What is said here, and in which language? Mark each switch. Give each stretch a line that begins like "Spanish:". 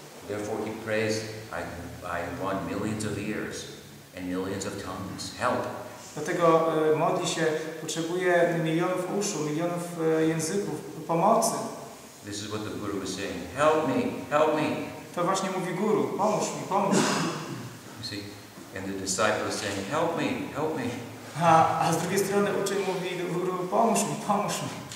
English: Therefore he prays, I want millions of ears and millions of tongues. Help.
Polish: Dlatego modli się, potrzebuje milionów uszu, milionów języków, pomocy.
English: This is what the guru is saying. Help me, help me.
Polish: To właśnie mówi guru, pomóż mi, pomóż mi.
English: You see? And the disciple is saying, help me, help me.
Polish: A z drugiej strony uczeń mówi, guru, pomóż mi, pomóż mi.